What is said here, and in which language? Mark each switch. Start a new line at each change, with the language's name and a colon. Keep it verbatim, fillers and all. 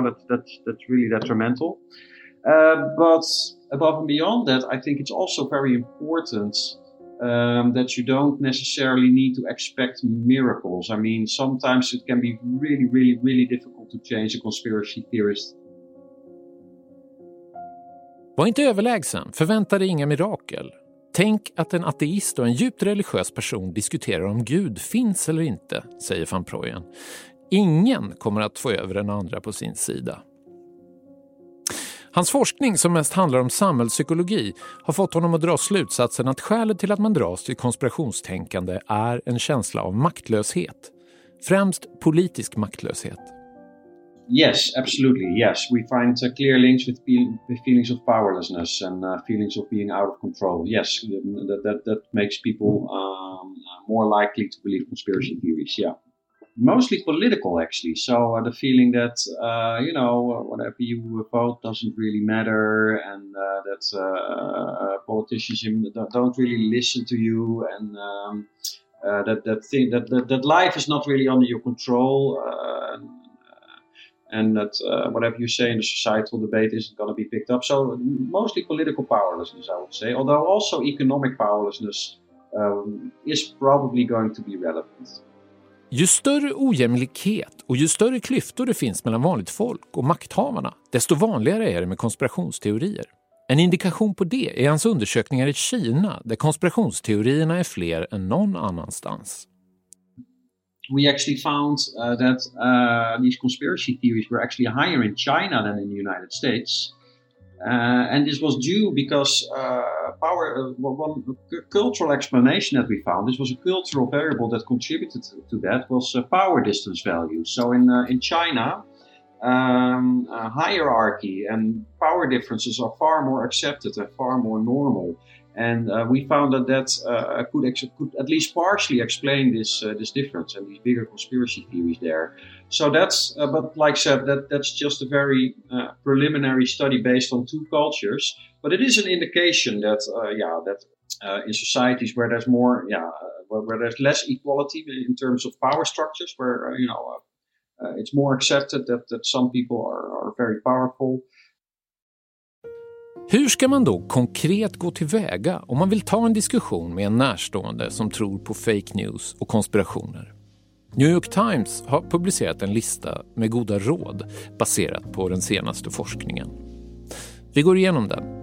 English: That, that, that's really detrimental. Uh, but above and beyond that, I think it's also very important Um, that you don't necessarily need to expect miracles. I mean, sometimes it can be really, really, really difficult to change a conspiracy theorist.
Swedish: Var inte överlägsen, förvänta dig inga mirakel. Tänk att en ateist och en djupt religiös person diskuterar om Gud finns eller inte, säger van Prooijen. Ingen kommer att få över den andra på sin sida. Hans forskning, som mest handlar om samhällspsykologi, har fått honom att dra slutsatsen att skälet till att man dras till konspirationstänkande är en känsla av maktlöshet. Främst politisk maktlöshet.
English: Yes, absolutely. Yes, we find uh, clear links with pe- feelings of powerlessness and uh, feelings of being out of control. Yes, that, that, that makes people um, more likely to believe conspiracy theories, yeah. Mostly political, actually. So uh, the feeling that, uh, you know, whatever you vote doesn't really matter and uh, that uh, uh, politicians don't really listen to you and um, uh, that that, thing, that that that life is not really under your control uh, and, uh, and that uh, whatever you say in the societal debate isn't going to be picked up. So mostly political powerlessness, I would say, although also economic powerlessness um, is probably going to be relevant.
Swedish: Ju större ojämlikhet Och ju större klyftor det finns mellan vanligt folk och makthavarna, desto vanligare är det med konspirationsteorier. En indikation på det är hans undersökningar i Kina, där konspirationsteorierna är fler än någon annanstans.
English: We actually found uh, that uh, these conspiracy theories were actually higher in China than in the United States. Uh, and this was due because uh, power, uh, one cultural explanation that we found, this was a cultural variable that contributed to that, was uh, power distance values. So in uh, in China, um, uh, hierarchy and power differences are far more accepted and far more normal. And uh, we found that that uh, could, ex- could at least partially explain this uh, this difference and these bigger conspiracy theories there. So that's, uh, but like I said, that, that's just a very uh, preliminary study based on two cultures. But it is an indication that, uh, yeah, that uh, in societies where there's more, yeah, where, where there's less equality in terms of power structures, where uh, you know uh, uh, it's more accepted that that some people are, are very powerful.
Swedish: Hur ska man då konkret gå tillväga om man vill ta en diskussion med en närstående som tror på fake news och konspirationer? New York Times har publicerat en lista med goda råd baserat på den senaste forskningen. Vi går igenom den.